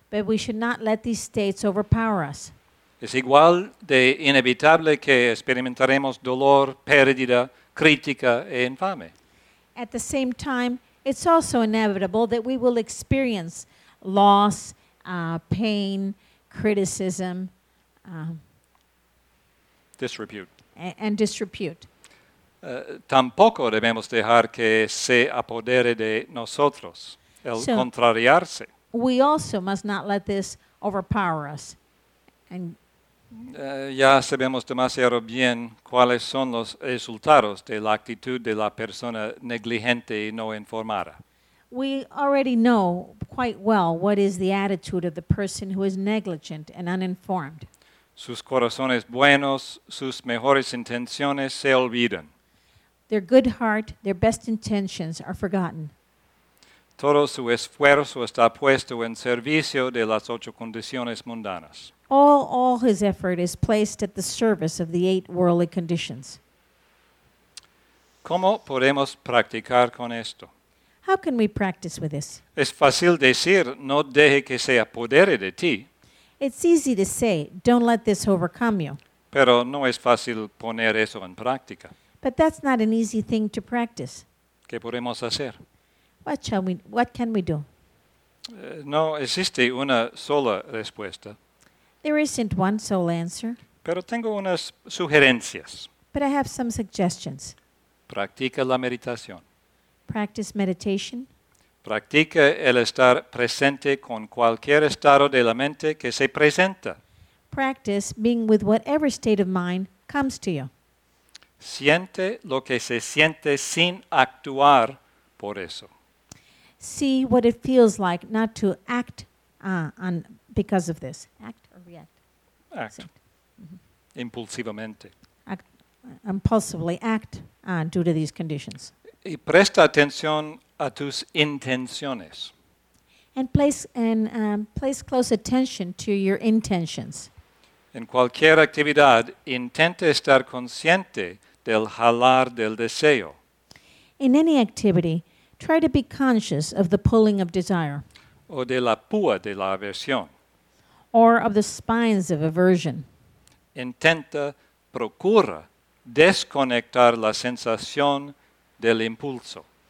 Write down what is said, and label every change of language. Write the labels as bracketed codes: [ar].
[en] But we should not let these states overpower us. [es] Es igual de inevitable que experimentaremos dolor, pérdida, crítica e infame. [en] At the same time, it's also inevitable that we will experience loss, pain, criticism, disrepute. And disrepute. [es] Tampoco debemos dejar que se apodere de nosotros, el [en] so, [es] contrariarse. [en] We also must not let this overpower us. And [es] ya sabemos demasiado bien cuáles son los resultados de la actitud de la persona negligente y no informada. [en] We already know quite well what is the attitude of the person who is negligent and uninformed. [es] Sus corazones buenos, sus mejores intenciones se olvidan. [en] Their good heart, their best intentions are forgotten. [es] Todo su esfuerzo está puesto en servicio de las ocho condiciones mundanas. [en] All his effort is placed at the service of the eight worldly conditions. [es] ¿Cómo podemos practicar con esto? [en] How can we practice with this? [es] Es fácil decir, no deje que se apodere de ti. [en] It's easy to say, don't let this overcome you. [es] Pero no es fácil poner eso en práctica. [en] But that's not an easy thing to practice. [es] ¿Qué podemos hacer? [en] What can we do? [es] No existe una sola respuesta. [en] There isn't one sole answer. [es] Pero tengo unas sugerencias. [en] But I have some suggestions. [es] Practica la meditación. [en] Practice meditation. [es] Practica el estar presente con cualquier estado de la mente que se presenta. [en] Practice being with whatever state of mind comes to you. [es] Siente lo que se siente sin actuar por eso. [en] See what it feels like not to act on because of this. Act or react? Act. Mm-hmm. [es] Impulsivamente. [en] Act, impulsively act due to these conditions. [es] Y presta atención a tus intenciones. [en] And place close attention to your intentions. [es] En cualquier actividad, intente estar consciente del jalar del deseo. [en] In any activity, try to be conscious of the pulling of desire. [es] O de la púa de la aversión. [en] Or of the spines of aversion. [es] Intenta, procura, desconectar la sensación del impulso.